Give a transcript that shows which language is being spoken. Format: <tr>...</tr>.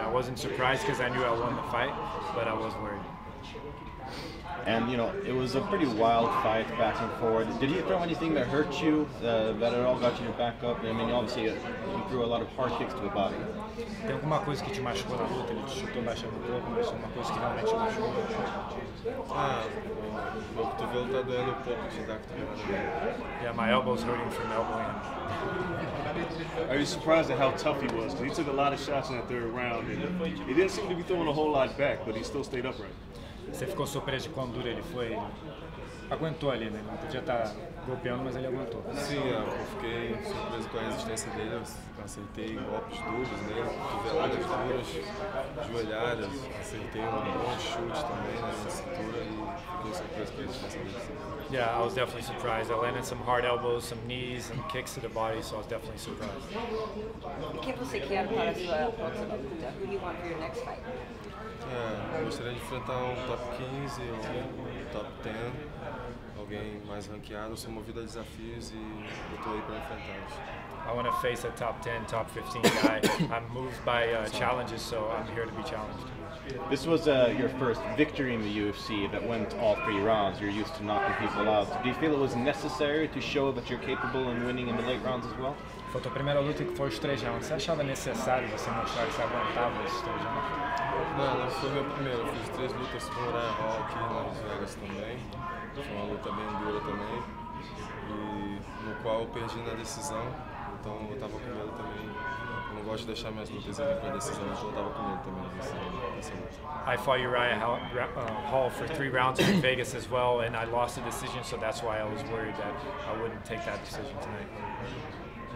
<en>I wasn't surprised because I knew I won the fight, but I was worried. And you know, it was a pretty wild fight, back and forth. Did he throw anything that hurt you, that at all got you back up? I mean, obviously, you threw a lot of hard kicks to the body.</en> <pt>Tem alguma coisa que te machucou na luta? Ele te chutou baixando o corpo, mas alguma coisa que realmente te machucou? Ah, meu cotovelo tá doendo um pouco de dar</pt> <en>cotovelo. Yeah, my elbow's hurting from elbowing. Are you surprised at how tough he was? Because he took a lot of shots in that third round, and he didn't seem to be throwing a whole lot back, but he still stayed upright.</en> <pt>Você ficou surpreso de quão duro ele foi? Ele aguentou ali, né? Não podia estar golpeando, mas ele aguentou. Sim, eu fiquei surpreso com a resistência dele. Eu acertei golpes duros nele, cotoveladas duras, joelhadas. Acertei um bom chute também na cintura e fiquei surpreso com a resistência dele.</pt> <en>Yeah, I was definitely surprised. I landed some hard elbows, some knees, some kicks to the body, so I was definitely surprised.</en> <pt>O que você quer para a sua luta?</pt> <en>Who do you want for your next fight?</en> <pt>Eu gostaria de enfrentar um top 15 ou um top 10, alguém mais ranqueado. Eu sou movido a desafios e eu estou aí para enfrentar isso.</pt> <en>I want to face a top 10, top 15 guy. I'm moved by challenges, so I'm here to be challenged. This was your first victory in the UFC that went all three rounds. You're used to knocking people out. Do you feel it was necessary to show that you're capable in winning in the late rounds as well?</en> <pt>Foi a tua primeira luta que foi os três rounds. Você achava necessário você mostrar que você aguentava os três rounds? Não, foi meu primeiro. Fiz três lutas fora aqui em Las Vegas também. Foi uma luta bem dura também. E no qual eu perdi na decisão. Então eu tava com medo também. Eu não gosto de deixar minhas lutas ali pra decisão. Então eu tava com medo também nessa luta.</pt> <en>I fought Uriah Hall for three rounds in Vegas as well. And I lost the decision, so that's why I was worried that I wouldn't take that decision tonight.</en>